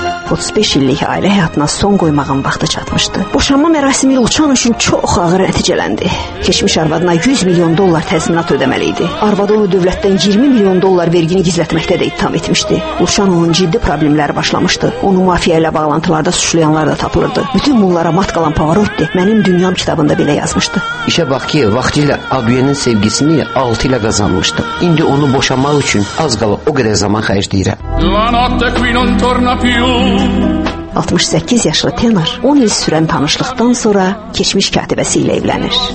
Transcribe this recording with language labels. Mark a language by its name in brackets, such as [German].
[Azerbaijani] 35 illik ailə həyatına son qoymağın vaxtı çatmışdı. Boşanma mərasimi Luciano üçün çox ağır nəticələndi. Keçmiş arvadına 100 milyon dollar təzminat ödəməli idi. Arvadı onu dövlətdən 20 milyon dollar vergini gizlətməkdə də ittiham etmişdi. Luciano'nun ciddi problemləri başlamışdı. Onu mafiya ilə bağlantılarda suçlayanlar da tapılırdı. Bütün bunlara mat qalan Pavarotti Mənim Dünyam kitabında belə yazmışdı. İşə bax ki, vaxtilə Adrianın sevgisini 6 ilə qazanmışdı. İndi onu boşanmaq üçün az qala o qədər zaman xərcləyirəm. [Italian] La notte qui non torna più. [Azerbaijani] 68 yaşlı tenor 10 il sürən tanışlıqdan sonra keçmiş katibəsi ilə evlənir.